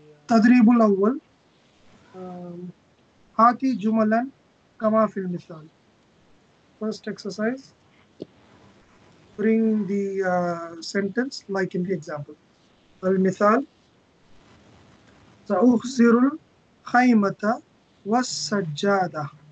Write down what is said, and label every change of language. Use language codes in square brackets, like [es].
[ar] التدريب الأول هاتي جملا كما في المثال. [en] First exercise. Bring the sentence like in the example. [ar] المثال سأخزر الخيمة والسجادة.